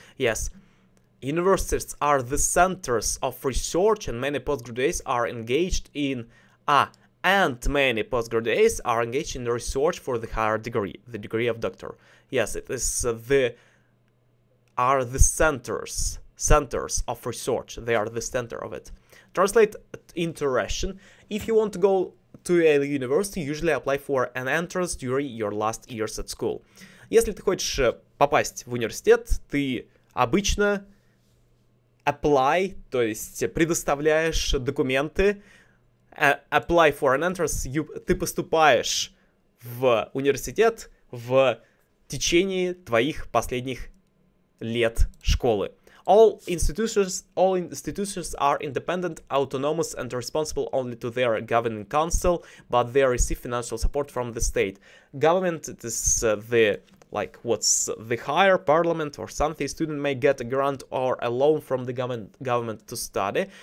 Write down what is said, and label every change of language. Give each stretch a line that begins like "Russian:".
English: Yes, universities are the centers of research, and many postgraduates are engaged in research for the higher degree, the degree of doctor. Yes, it is the centers of research. They are the center of it. Translate into Russian. If you want to go to a university, usually apply for an entrance during your last years at school.
Russian: Если ты хочешь попасть в университет, ты обычно apply, то есть предоставляешь документы.
English: Apply for an entrance.
Russian: Ты поступаешь в университет в течение твоих последних лет школы.
English: All institutions are independent, autonomous, and responsible only to their governing council, but they receive financial support from the state. Government is the, like, what's the higher, parliament or something. Student may get a grant or a loan from the government to study.